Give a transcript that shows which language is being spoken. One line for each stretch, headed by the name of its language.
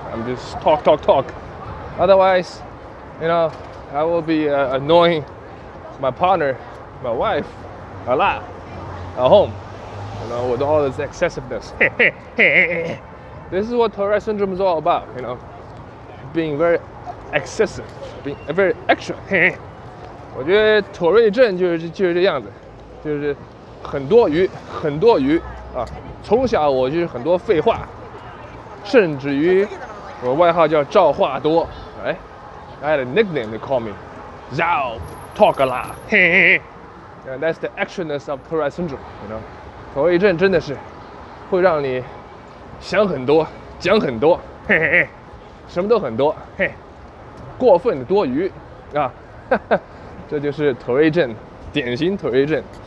English: I'm just talk. Otherwise, you know, I will be annoying my partner, my wife, a lot at home, you know, with all this excessiveness. This is what Tourette syndrome is all about, you know, being very excessive, being very extra.
Chinese: 我觉得妥瑞症就是这样子，就是很多余，很多余啊。从小我就是很多废话，甚至于我外号叫赵话多。
English: 哎 ，I had a nickname they call me Zhao, talk a lot. Yeah, that's the extraness of Tourette syndrome, you know.
Chinese: 妥瑞症真的是会让你想很多，讲很多，什么都很多，过分的多余啊，这就是妥瑞症，典型妥瑞症。